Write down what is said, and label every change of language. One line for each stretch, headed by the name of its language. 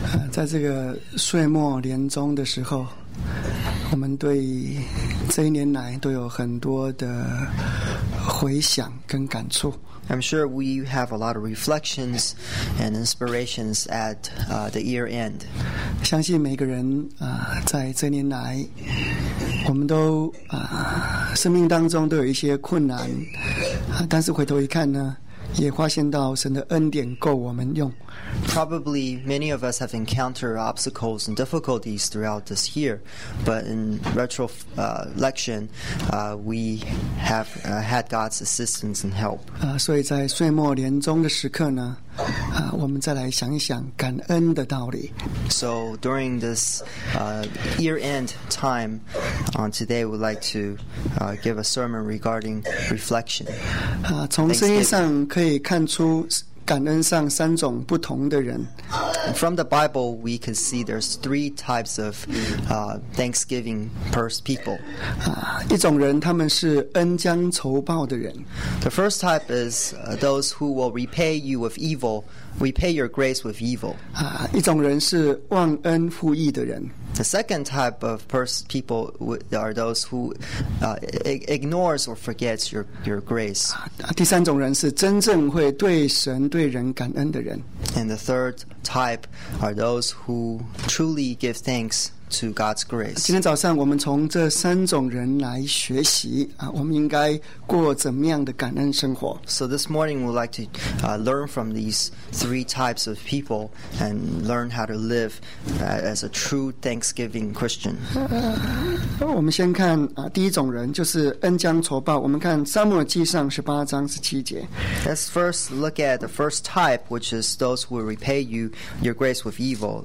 Chinese: 在这个岁末年终的时候，我们对这一年来都有很多的回想跟感触。
English: I'm sure we have a lot of reflections and inspirations at the year end.
Chinese: 相信每个人在这年来，我们都生命当中都有一些困难，但是回头一看呢，也发现到神的恩典够我们用。
English: Probably many of us have encountered obstacles and difficulties throughout this year, but in retrospection, we have had God's assistance and help.
Chinese: 所以在岁末年终的时刻呢，我们再来想一想感恩的道理。
English: So during this year-end time, today we'd like to give a sermon regarding reflection.
Chinese: 从圣经上可以看出感恩上三种不同的人。
English: From the Bible, we can see there's three types of thanksgiving people.
Chinese: 一种人，他们是恩将仇报的人。
English: The first type is those who will repay you with evil, repay your grace with evil.
Chinese: 一种人是忘恩负义的人。
English: The second type of people are those who ignores or forgets your grace.
Chinese: 第三种人是真正会对神对人感恩的人。
English: And the third type are those who truly give thanks to God's grace.
Chinese: 今天早上我们从这三种人来学习，我们应该过怎么样的感恩生活。
English: So this morning we'd like to learn from these three types of people and learn how to live as a true thanksgiving Christian.
Chinese: 我们先看第一种人，就是恩将仇报。我们看撒母耳记上十八章十七节。
English: Let's first look at the first type, which is those who will repay you your grace with evil.